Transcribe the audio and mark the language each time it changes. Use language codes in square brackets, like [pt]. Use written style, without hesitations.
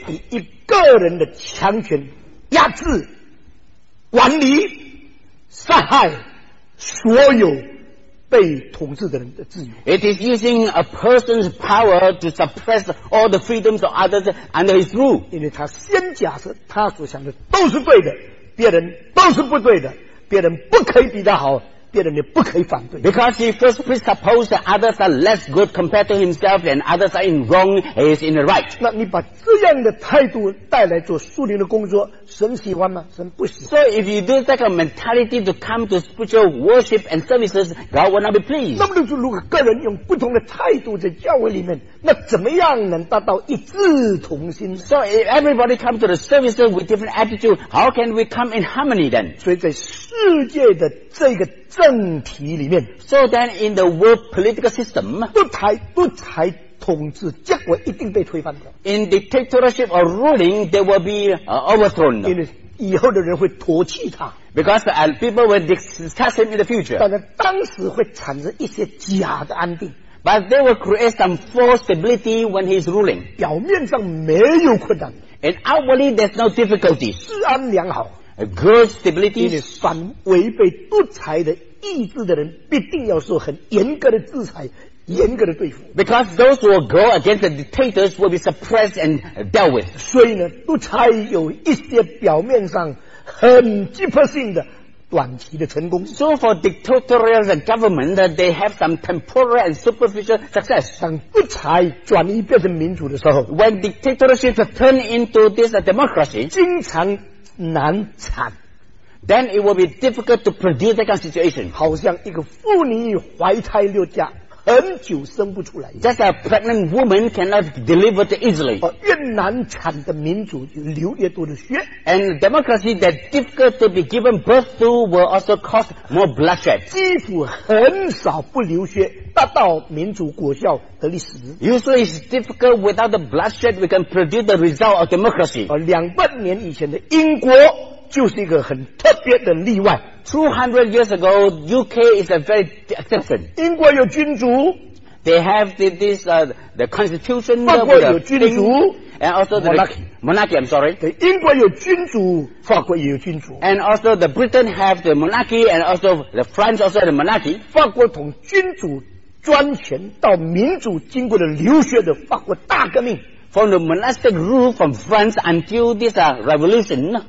[zh] 以一个人的强权压制管理杀害所有被统治的人的自由 [en] it is using a person's power to suppress all the freedoms of others under his rule [zh] 因为他先假设他所想的都是对的别人都是不对的别人不可以比他好别人也不可以反对 [en] because he first presupposed that others are less good compared to himself and others are in wrong he is in the right [zh] 那你把这样的态度带来做属灵的工作神喜欢吗神不喜欢 [en] so if you do that kind of mentality to come to spiritual worship and services God will not be pleased [zh] 那么就如果个人用不同的态度在教会里面那怎么样能达到一致同心 [en] so if everybody comes to the services with different attitude how can we come in harmony then [zh] 所以在世界的这个政体里面 [en] So then in the world political system [zh] 独裁统治结果一定被推翻掉 [en] In dictatorship or ruling they will be overthrown [zh] 因为以后的人会唾弃他 [en] Because people will discuss him in the future [zh] 但是当时会产生一些假的安定 [en] But they will create some false stability when he is ruling [zh] 表面上没有困难 [en] And outwardly there's no difficulty [zh] 治安良好 [en] A good stability. [zh] 因为反违背独裁的意志的人，必定要受很严格的制裁，严格的对付。 [en] Because those who go against the dictators will be suppressed and dealt with. [zh] 所以呢，独裁有一些表面上很急迫性的短期的成功。 [en] So for dictatorial government, they have some temporary and superficial success. [zh] 当独裁转移变成民主的时候 [en] ，when dictatorship turn into this democracy, [zh] 经常。难产 [en] then it will be difficult to produce that kind of situation [zh] 好像一个妇女怀胎六甲很久生不出来 [en] just a pregnant woman cannot deliver it easily [zh] 越难产的民主流越多的血 [en] and democracy that difficult to be given birth to will also cause more bloodshed [zh] 几乎很少不流血达到民主果效的历史 [en] usually it's difficult without the bloodshed we can produce the result of democracy [zh] 两百年以前的英国就是一个很特别的例外 [en] 200 years ago UK is a very exception [zh] 英国有君主 [en] they have this, the constitution [zh] 法国有君主 [en] and also the monarchy I'm sorry [zh] 对英国有君主法国也有君主 [en] and also the Britain have the monarchy and also the France also have the monarchy [zh] 法国从君主专权到民主经过了流血的法国大革命 [en] From the monastic rule from France until this revolution,